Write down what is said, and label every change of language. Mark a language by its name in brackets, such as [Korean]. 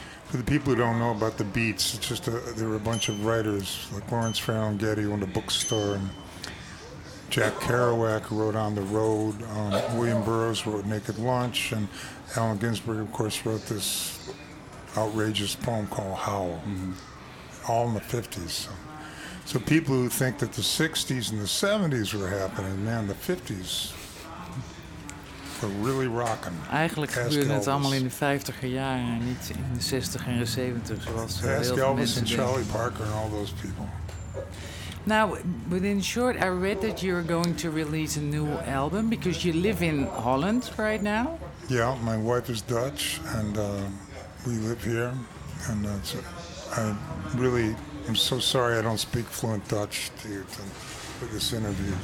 [English] For the people who don't know about the Beats, it's just there were a bunch of writers, like Lawrence Farrell and Getty owned a bookstore, and Jack Kerouac wrote On the Road, William Burroughs wrote Naked Lunch, and Allen Ginsberg, of course, wrote this outrageous poem called Howl, all in the 50s. So people who think that the 60s and the 70s were happening, man, the 50s were really rocking. [Dutch] Eigenlijk gebeurde het allemaal in de 50er jaren en niet in de 60 en de 70. [English] Ask Elvis and Charlie Parker and all those people. Now, within short, I read that you're going to release a new album because you live in Holland right now. Yeah, my wife is Dutch, and we live here. And I really am so sorry I don't speak fluent Dutch to you for this interview.